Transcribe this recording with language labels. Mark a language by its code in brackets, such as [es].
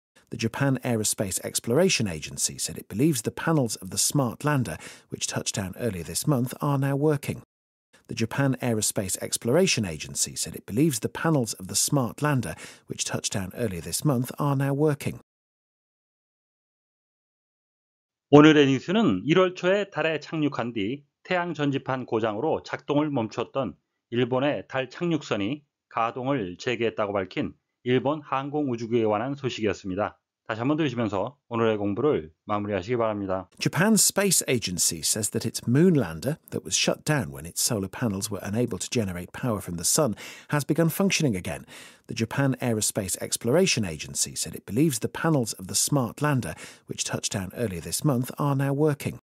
[en] The Japan Aerospace Exploration Agency said it believes the panels of the smart lander, which touched down earlier this month, are now working. The Japan Aerospace Exploration Agency said it believes the panels of the smart lander, which touched down earlier this month, are now working. [ko] 오늘의 뉴스는 1월 초에 달에 착륙한 뒤 태양 전지판 고장으로 작동을 멈췄던 일본의 달 착륙선이 가동을 재개했다고 밝힌 일본 항공우주국에 관한 소식이었습니다. 다시 한번 들으시면서 오늘의 공부를 마무리하시기 바랍니다. [en] Japan Space Agency says that its moon lander that was shut down when its solar panels were unable to generate power from the sun has begun functioning again. The Japan Aerospace Exploration Agency said it believes the panels of the smart lander which touched down earlier this month are now working.